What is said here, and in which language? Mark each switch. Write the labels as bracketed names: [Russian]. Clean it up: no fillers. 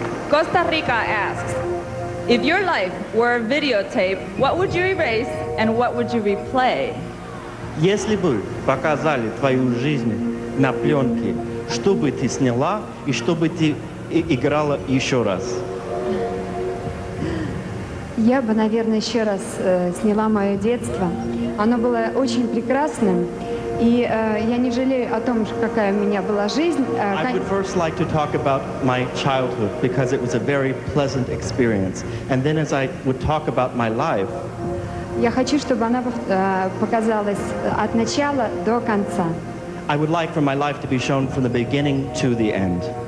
[English] Costa Rica asks, if your life were a videotape, what would you erase and what would you replay? [Russian] Если бы показали твою жизнь на пленке, что бы ты сняла и что бы ты играла еще раз? Я бы, наверное, еще раз сняла мое детство. Оно было очень прекрасным. И я не жалею о том, какая у меня была жизнь. [English] I would first like to talk about my childhood, because it was a very pleasant experience. And then as I would talk about my life... [Russian] Я хочу, чтобы она показалась от начала до конца. [English] I would like for my life to be shown from the beginning to the end.